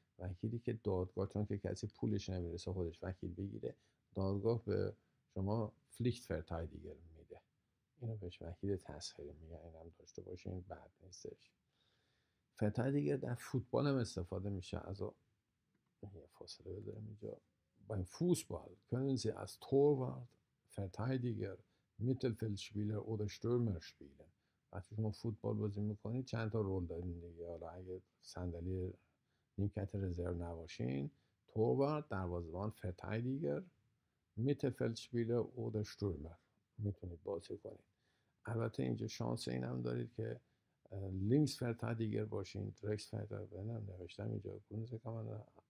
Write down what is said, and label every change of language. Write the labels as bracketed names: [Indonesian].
[Persian] وکیلی که دادگاه، چون که کسی پولش نمیرسه خودش وکیل بگیره، دادگاه به شما Pflichtverteidiger میده. اینو بهش وکیل تسخیری میگه. اینم داشته باشین، بد نیستش. Verteidiger در فوتبال هم استفاده میشه. از یه فاصله بذارم اینجا. [German] Beim Fußball können Sie als Torwart Verteidiger, Mittelfeldspieler oder Stürmer spielen. [Persian] وقتی شما فوتبال بازی میکنید چند تا رول دارین دیگه. حالا اگه صندلی نیمکت رزرو نباشین، توروارد دروازه‌بان، فرتایدیگر میتلفلدشپیلر اودر شتورمر میتونید بازی کنید. البته اینجا شانس اینم دارید که لینکس فرتایدیگر باشین، درکس فرتایدیگر هم نوشتم اینجا گونز کامن.